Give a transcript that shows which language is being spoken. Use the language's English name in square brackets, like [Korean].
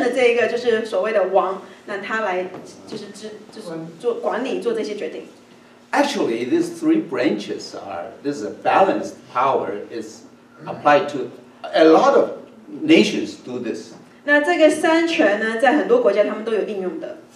[Chinese] 的这个就是所谓的王，那他来就是做管理，做这些决定。 [English] Actually, these three branches are this is a balanced power is applied to a lot of nations do this. [Chinese] 那这个三权呢，在很多国家他们都有应用的。